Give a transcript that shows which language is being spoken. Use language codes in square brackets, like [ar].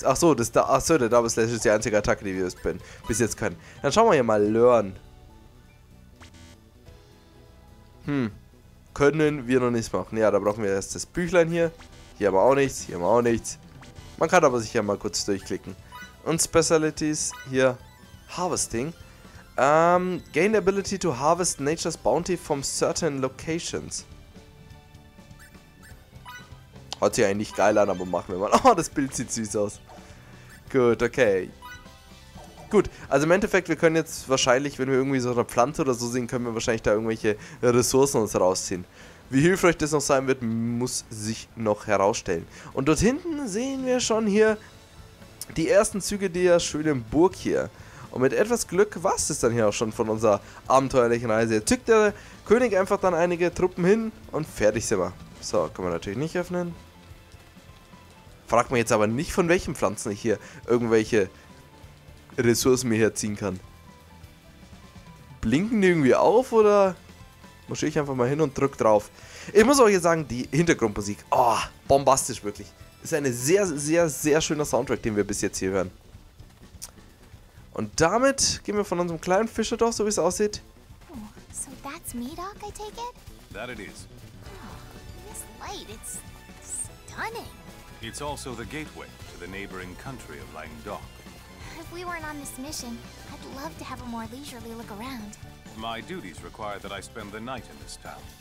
[de] Der Double Slash ist die einzige Attacke, die wir bis jetzt können. Dann schauen wir hier mal. Learn. Können wir noch nichts machen. Ja, da brauchen wir erst das Büchlein hier. Hier haben wir auch nichts. Hier haben wir auch nichts. Man kann aber sich ja mal kurz durchklicken. Und Specialities hier. Harvesting. [en] Gain the ability to harvest nature's bounty from certain locations. [de] Hört sich eigentlich geil an, aber machen wir mal. Oh, das Bild sieht süß aus. Gut, okay. Gut, also im Endeffekt, wir können jetzt wahrscheinlich, wenn wir irgendwie so eine Pflanze oder so sehen, können wir wahrscheinlich da irgendwelche Ressourcen uns rausziehen. Wie hilfreich das noch sein wird, muss sich noch herausstellen. Und dort hinten sehen wir schon hier die ersten Züge der schönen Burg hier. Und mit etwas Glück war es dann hier auch schon von unserer abenteuerlichen Reise. Zückt der König einfach dann einige Truppen hin und fertig sind wir. So, kann man natürlich nicht öffnen. Fragt mich jetzt aber nicht, von welchen Pflanzen ich hier irgendwelche Ressourcen mir herziehen kann. Blinken die irgendwie auf oder marschiere ich einfach mal hin und drück drauf? Ich muss euch jetzt sagen, die Hintergrundmusik, oh, bombastisch wirklich. Ist ein sehr, sehr, sehr schöner Soundtrack, den wir bis jetzt hier hören. Und damit gehen wir von unserem kleinen Fischerdorf, so wie es aussieht. [en] Oh, so that's me, Doc, I take it? That it is. Oh, this light, it's stunning. It's also the gateway to the neighboring country of Langdok. If we weren't on this mission, I'd love to have a more leisurely look around. My duties require that I spend the night in this town.